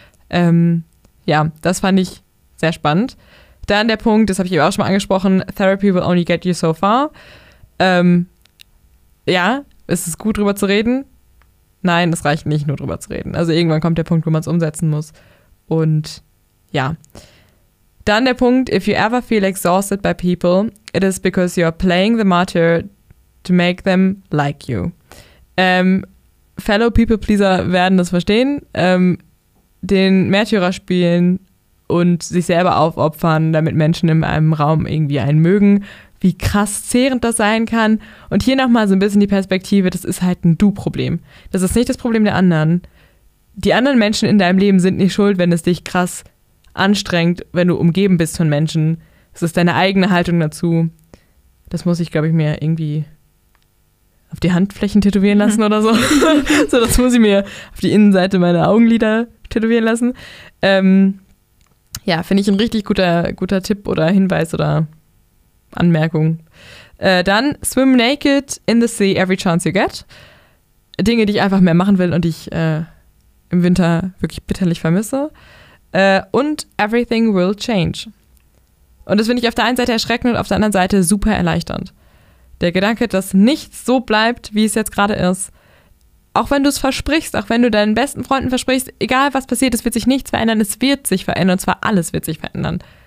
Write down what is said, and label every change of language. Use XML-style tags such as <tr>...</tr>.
<de>Ja, das fand ich sehr spannend. Dann der Punkt, das habe ich eben auch schon mal angesprochen,</de> <en>Therapy will only get you so far.</en> <de>Ja, ist es gut, drüber zu reden? Nein, es reicht nicht, nur drüber zu reden. Also irgendwann kommt der Punkt, wo man es umsetzen muss. Und ja. Dann der Punkt,</de> <en>if you ever feel exhausted by people, it is because you are playing the martyr to make them like you. Fellow people pleaser</en> <de>werden das verstehen. Den Märtyrer spielen und sich selber aufopfern, damit Menschen in einem Raum irgendwie einen mögen, wie krass zehrend das sein kann. Und hier nochmal so ein bisschen die Perspektive, das ist halt ein Du-Problem. Das ist nicht das Problem der anderen. Die anderen Menschen in deinem Leben sind nicht schuld, wenn es dich krass anstrengt, wenn du umgeben bist von Menschen. Es ist deine eigene Haltung dazu. Das muss ich, glaube ich, mir irgendwie auf die Handflächen tätowieren lassen oder so. So, das muss ich mir auf die Innenseite meiner Augenlider tätowieren lassen. Ja, finde ich ein richtig guter Tipp oder Hinweis oder Anmerkung. Dann</de> <en>swim naked in the sea every chance you get.</en> <de>Dinge, die ich einfach mehr machen will und die ich im Winter wirklich bitterlich vermisse. Und</de> <en>everything will change.</en> <de>Und das finde ich auf der einen Seite erschreckend und auf der anderen Seite super erleichternd. Der Gedanke, dass nichts so bleibt, wie es jetzt gerade ist. Auch wenn du es versprichst, auch wenn du deinen besten Freunden versprichst, egal was passiert, es wird sich nichts verändern, es wird sich verändern und zwar alles wird sich verändern.</de>